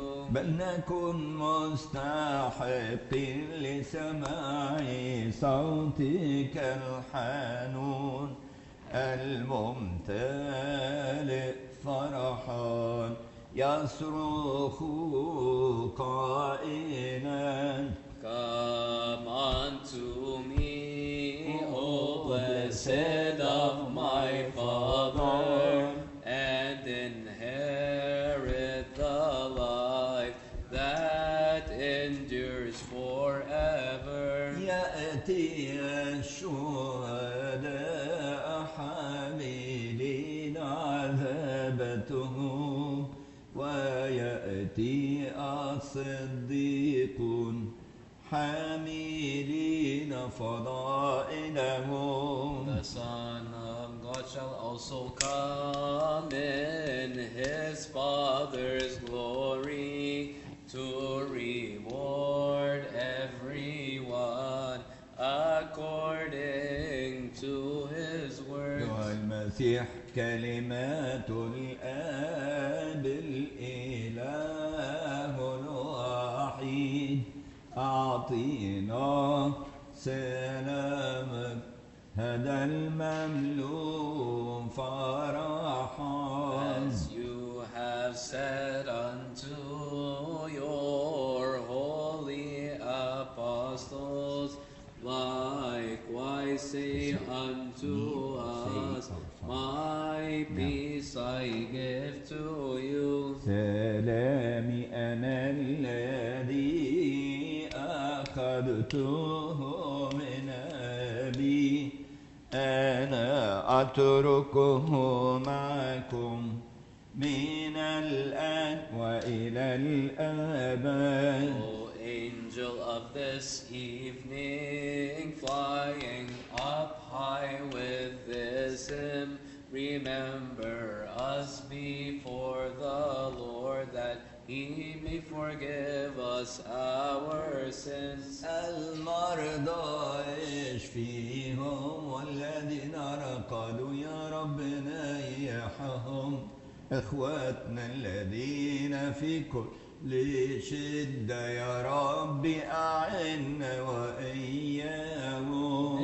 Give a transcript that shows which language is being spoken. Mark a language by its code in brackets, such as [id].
[ar] بل نكن مستحقين لسماع صوتك الحنون الممتلئ فرحا يصرخ قائلا [en] Come unto me, O blessed of my Father, and inherit the life that endures forever. [ar] يأتي الشهداء حاملين عذابته ويأتي الصديقون حاملين فضائلهم. [en] The Son of God shall also come in His Father's glory to reward everyone according to His words. [ar] يا المسيح كلمات الآب الإله الوحيد أعطينا سلامك هذا المملوء فرحا. [en] As you have said unto your holy apostles, likewise say unto us, my peace I give to you. [ar] سلامي أنا الذي أخذته من أبي أنا أتركه معكم من الآن وإلى الأبد. [en] O angel of this evening flying up high with this hymn, remember us before the Lord that He may forgive us our sins. [ar] المرضى يشفيهم والذين رقدوا يا ربنا يحهم إخواتنا الذين في كل شدة يا رب أعنا وإياهم.